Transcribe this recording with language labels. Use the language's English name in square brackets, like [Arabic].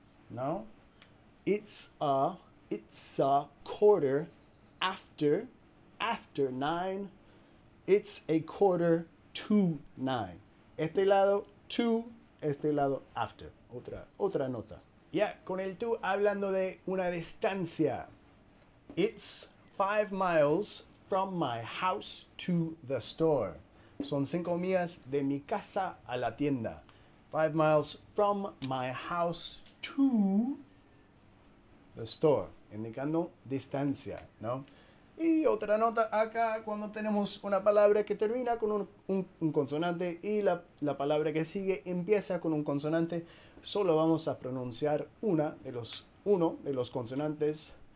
[Spanish] ¿No? [English] It's a quarter after nine. It's a quarter to nine. [Spanish] Este lado to, este lado after. Otra nota. Ya, con el to hablando de una distancia. [English] It's 5 miles from my house to the store. [Spanish] Son 5 millas de mi casa a la tienda. [English] 5 miles from my house to the store. [Spanish] Indicando distancia, ¿no? Y otra nota acá, cuando tenemos una palabra que termina con un consonante y la palabra que sigue empieza con un consonante, solo vamos a pronunciar uno de los consonantes.